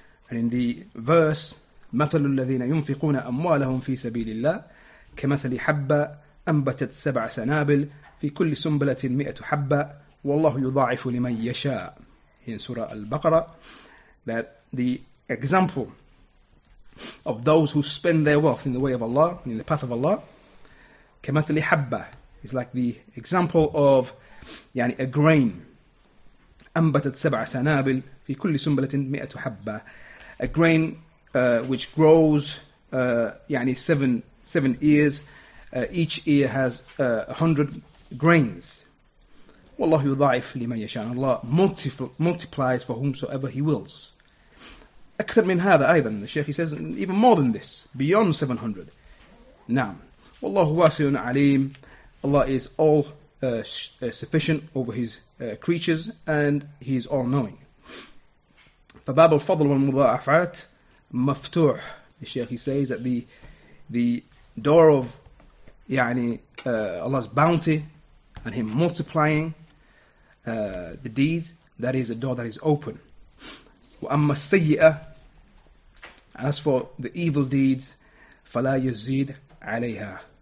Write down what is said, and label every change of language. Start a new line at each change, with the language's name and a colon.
English: And in the verse,
Arabic: مثل الذين ينفقون أموالهم في سبيل الله كمثل حبة أنبتت سبع سنابل في كل سنبلة مئة حبة والله يضاعف لمن يشاء.
English: In Surah Al-Baqarah, that the example of those who spend their wealth in the way of Allah, in the path of Allah,
Arabic: كَمَثْلِ حَبَّةِ
English: is like the example of يعني a grain.
Arabic: أنبتت سبع سنابل في كل سنبلة مئة حبة.
English: A grain which grows, يعني seven ears. Each ear has 100 grains.
Arabic: والله يضاعف لمن يشاء.
English: الله multiplies for whomsoever he wills.
Arabic: أكثر من هذا أيضا.
English: The Sheikh, he says even more than this. Beyond 700.
Arabic: نعم. والله واسع عليم.
English: Allah is all sufficient over his creatures, and he is all knowing.
Arabic: فباب الفضل والمضاعفات مفتوح.
English: The Sheikh, he says that the door of يعني Allah's bounty and him multiplying the deeds, that is a door that is open.
Arabic: وأما السيئة,
English: as for the evil deeds,
Arabic: فلا يزيد عليها.